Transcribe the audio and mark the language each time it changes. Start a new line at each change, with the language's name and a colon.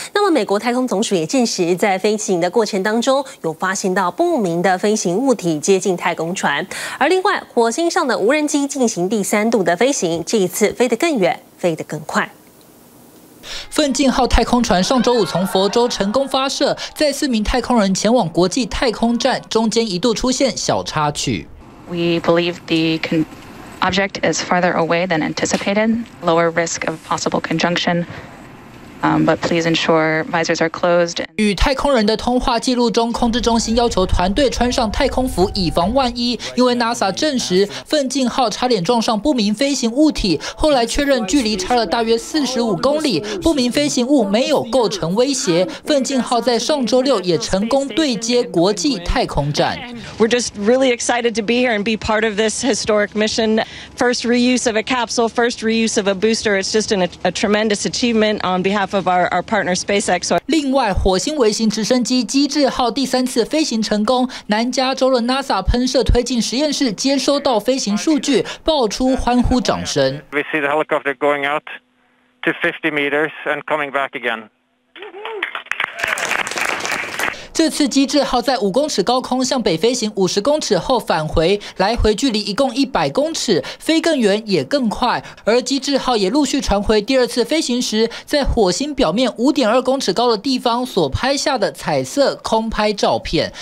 Chinese: 那么美国太空总署也证实，在飞行的过程当中有发现到不明的飞行物体接近太空船。而另外火星上的无人机进行第三度的飞行，这一次飞得更远，飞得更快。奋进号太空船上周五从佛州成功发射，载四名太空人前往国际太空站，中间一度出现小插曲。
English: We believe the object is farther away than anticipated, lower risk of possible conjunction, but please ensure visors are closed.
Chinese: 与太空人的通话记录中，控制中心要求团队穿上太空服以防万一，因为 NASA 证实奋进号差点撞上不明飞行物体，后来确认距离差了大约45公里，不明飞行物没有构成威胁。奋进号在上周六也成功对接国际太空站。
English: We're just really excited to be here and be part of this historic mission. First reuse of a capsule, first reuse of a booster. It's just a tremendous achievement on behalf of our partner SpaceX.
Chinese: 另外，火星微型直升机机智号第三次飞行成功，南加州的 NASA 喷射推进实验室接收到飞行数据，爆出欢呼掌声。
English: We see the helicopter going out to 50 meters and coming back again.
Chinese: 这次机智号在5公尺高空向北飞行50公尺后返回，来回距离一共100公尺，飞更远也更快。而机智号也陆续传回第二次飞行时，在火星表面5.2公尺高的地方所拍下的彩色空拍照片。